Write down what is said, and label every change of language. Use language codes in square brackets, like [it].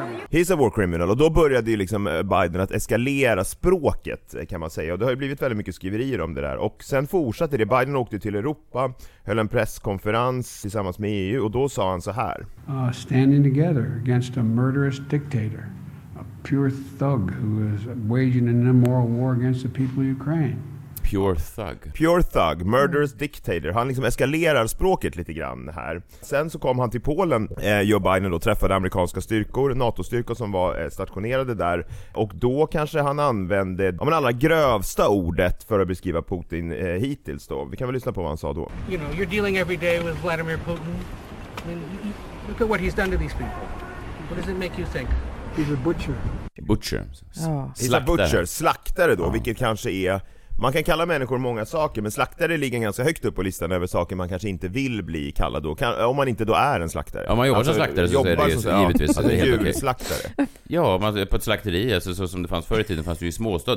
[en] He's a war criminal. [sv] Och då började ju liksom Biden att eskalera språket, kan man säga. Och det har ju blivit väldigt mycket skriverier om det där. Och sen fortsatte det. Biden åkte till Europa, höll en presskonferens tillsammans med EU, och då sa han så här: [en] Standing together against a murderous dictator, a pure thug who is waging an immoral war against the people of Ukraine. Pure thug. Pure thug, murderous dictator. [sv] Han liksom eskalerar språket lite grann här. Sen så kom han till Polen, Joe Biden, då träffade amerikanska styrkor, NATO-styrkor som var stationerade där. Och då kanske han använde det allra grövsta ordet för att beskriva Putin hittills då. Vi kan väl lyssna på vad han sa då. [en] You know, you're dealing every day with Vladimir Putin. I mean, look at what he's done to these people. What does it make you think? He's a butcher. Butcher. [sv] Slaktare. [en] He's a butcher, [sv] slaktare då, vilket kanske är... Man kan kalla människor många saker, men slaktare ligger ganska högt upp på listan över saker man kanske inte vill bli kallad då. Om man inte då är en slaktare. Om man jobbar alltså, som slaktare så är det ju givetvis alltså, djurslaktare. Ja, man, på ett slakteri, alltså, så som det fanns förr i tiden, fanns det ju i småstad.